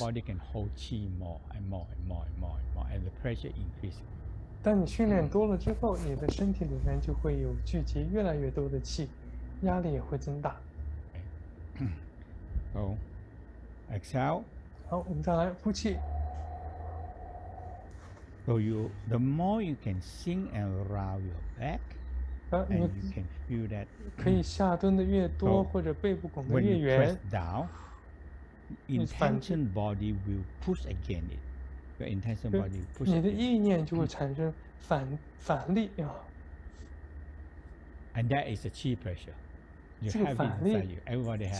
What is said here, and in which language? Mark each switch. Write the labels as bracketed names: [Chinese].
[English] Your body can hold chi more and more and more and more and more, and the pressure increases. [Chinese] 当你训练多了之后，你的身体里面就会有聚集越来越多的气，压力也会增大。 [English] So, exhale. [Chinese] 好，我们再来呼气。 [English] So you, the more you can sink and roll your back, and you can feel that. [Chinese] 可以下蹲的越多，或者背部拱的越圆。 [English] When you press down, intention body will push against it. Your intention body pushes. [Chinese] 你的意念就会产生反力啊。 [English] And that is the chi pressure. You have it inside you. Everybody has it.